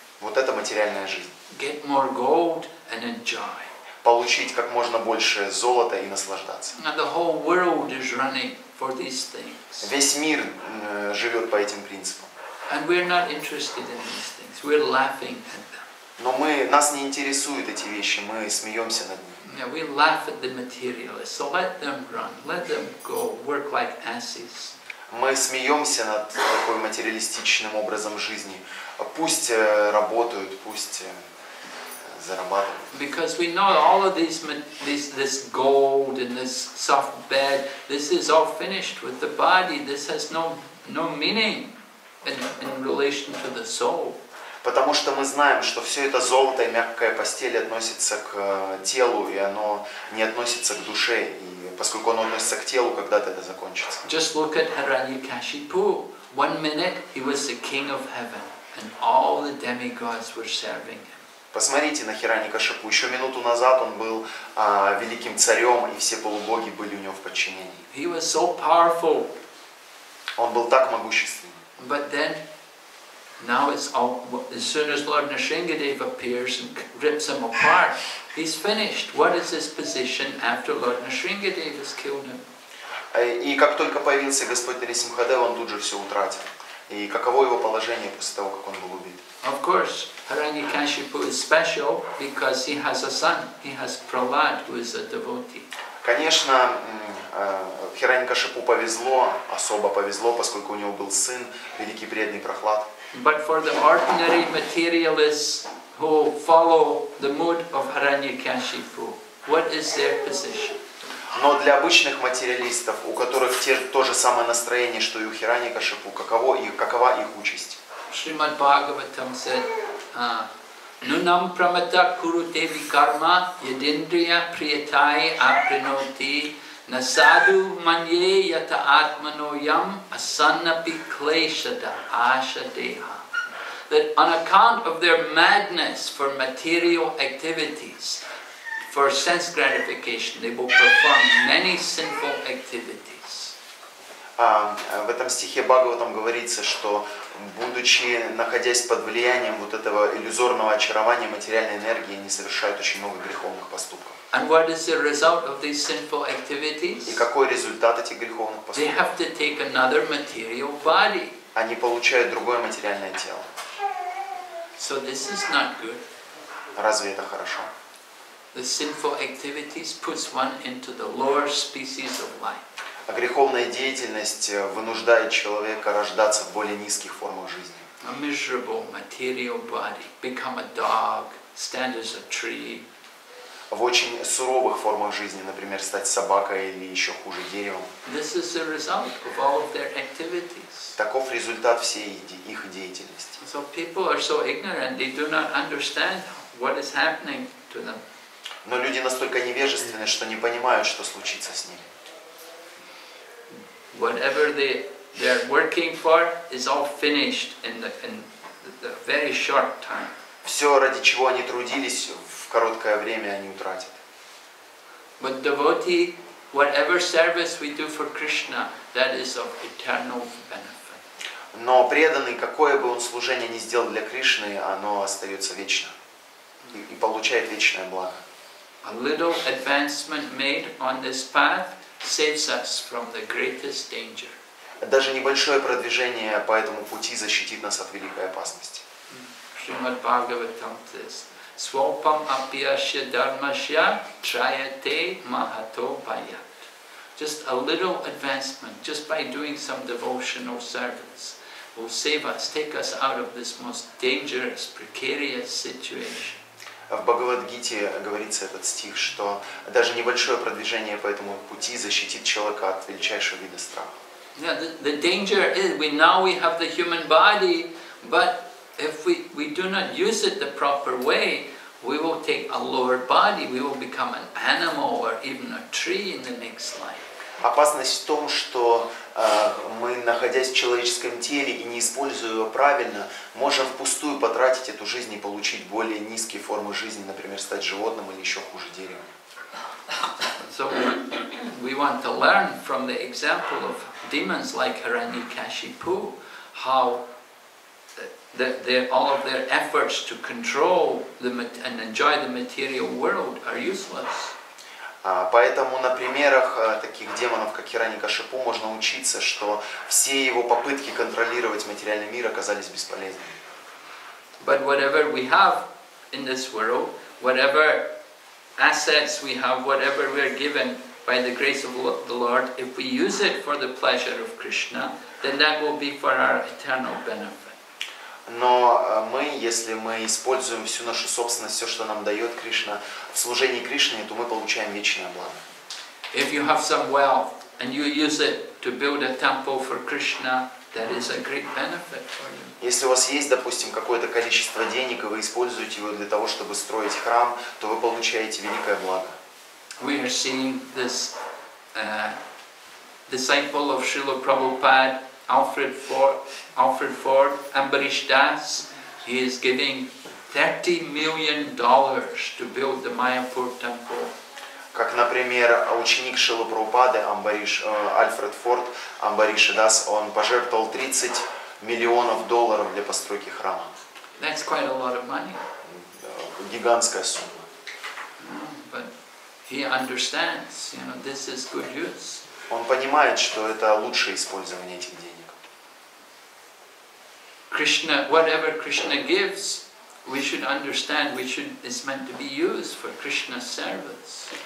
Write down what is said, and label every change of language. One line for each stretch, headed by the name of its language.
Russian: Вот это материальная жизнь.
English: Get more gold and enjoy.
Russian: Получить как можно больше золота и наслаждаться.
English: And the whole world is running for these things.
Russian: Весь мир живет по этим принципам.
English: And we're not interested in these things. We're laughing at them.
Russian: Но мы нас не интересуют эти вещи. Мы смеемся над ними.
English: Yeah, we laugh at the materialists. So let them run. Let them go. Work like asses.
Russian: Мы смеемся над такой материалистичным образом жизни. Пусть работают, пусть зарабатывают.
English: Because we know all of this gold and this soft bed, this is all finished with the body. This has no meaning. In relation to the soul.
Russian: Потому что мы знаем, что все это золото и мягкая постель относится к телу, и оно не относится к душе, и поскольку оно относится к телу, когда-то это закончится.
English: Just look at Hiranyakashipu. One minute he was the king of heaven, and all the demigods were serving him.
Russian: Посмотрите на Hiranyakashipu. Еще минуту назад он был великим царем, и все полубоги были у него в подчинении.
English: He was so powerful.
Russian: Он был так могущественен.
English: But then, now it's all. As soon as Lord Narsingadev appears and rips him apart, he's finished. What is his position after Lord Narsingadev has killed him?
Russian: И как только появился Господь Нарисимхадев, он тут же все утратил. И каково его положение после того, как он был убит?
English: Of course, Hiranyakashipu is special because he has a son. He has Prahlad, who is a devotee.
Russian: Конечно, Хираньякашипу повезло, особо повезло, поскольку у него был сын, великий преданный Прохлад.
English: But for the ordinary materialists who follow the mood of Hiranyakashipu, what is their position?
Russian: Но для обычных материалистов, у которых то же самое настроение, что и у Хираньякашипу, какова их участь?
Sanskrit: Шримад Бхагаватам said, Нунам прамата куру деви карма, ядиндрия приятай апринути, насаду манье ята атмано ям, асанна пи клешада аша деха.
English: That on account of their madness for material activities, for sense gratification, they will perform many sinful activities.
Russian: В этом стихе Бхагаватам говорится, что будучи, находясь под влиянием вот этого иллюзорного очарования материальной энергии, они совершают очень много греховных поступков.
English: And what is the result of these sinful activities?
Russian: И какой результат этих греховных поступков?
English: They have to take another material body.
Russian: Они получают другое материальное тело.
English: So this is not good.
Russian: Разве это хорошо?
English: The sinful activities puts one into the lower species of life.
Russian: А греховная деятельность вынуждает человека рождаться в более низких формах жизни.
English: A miserable material body, become a dog, stand as a tree.
Russian: В очень суровых формах жизни, например, стать собакой или еще хуже, деревом.
English: This is the result of all of their activities.
Russian: Таков результат всей их деятельности.
English: So people are so ignorant, they do not understand what is happening to them.
Russian: Но люди настолько невежественны, что не понимают, что случится с ними.
English: Whatever they are working for is all finished in the very short time.
Russian: Все, ради чего они трудились, в короткое время они утратят.
English: But devotee, whatever service we do for Krishna, that is of eternal benefit.
Russian: Но преданный, какое бы он служение ни сделал для Кришны, оно остается вечно и получает вечное благо.
English: A little advancement made on this path saves us from the greatest danger.
Russian: Даже небольшое продвижение по этому пути защитит нас от великой опасности.
Sanskrit: Шримад Бхагаватам says, Свопам апьяшья дармашья чаяте махато баят.
English: Just a little advancement, just by doing some devotional service, will save us, take us out of this most dangerous, precarious situation.
Russian: В Бхагавад-гите говорится этот стих, что даже небольшое продвижение по этому пути защитит человека от величайшего вида страха.
English: Yeah, the danger is now we have the human body, but if we do not use it the proper way, we will take a lower body, we will become an animal or even a tree in the next life.
Russian: Опасность в том, что мы, находясь в человеческом теле и не используя его правильно, можем впустую потратить эту жизнь и получить более низкие формы жизни, например, стать животным или еще хуже деревом.
English: So we want to learn from the example of demons like Hiranyakashipu, how that all of their efforts to control and enjoy the material world are useless.
Russian: Поэтому на примерах таких демонов, как Хираньякашипу, можно учиться, что все его попытки контролировать материальный мир оказались бесполезными.
English: But whatever we have in this world, whatever assets we have, whatever we are given by the grace of the Lord, if we use it for the pleasure of Krishna, then that will be for our eternal benefit.
Russian: Но мы, если мы используем всю нашу собственность, все, что нам дает Кришна, в служении Кришне, то мы получаем вечное благо.
English: If you have some wealth and you use it to build a temple for Krishna, that is a great benefit for you.
Russian: Если у вас есть, допустим, какое-то количество денег, и вы используете его для того, чтобы строить храм, то вы получаете великое благо.
English: We are seeing this disciple of Srila Prabhupada, Alfred Ford, Ambarish Das, he is giving $30 million to build the Mayapur temple.
Russian: Как, например, ученик Шрилы Прабхупады, Альфред Форд, Амбариш Дас, он пожертвовал $30 million для постройки храма.
English: That's quite a lot of money.
Russian: Гигантская сумма.
English: But he understands, you know, this is good use.
Russian: Он понимает, что это лучшее использование этих денег.
English: Krishna, whatever Krishna gives, We should understand, we should, it's meant to be used for Krishna's service.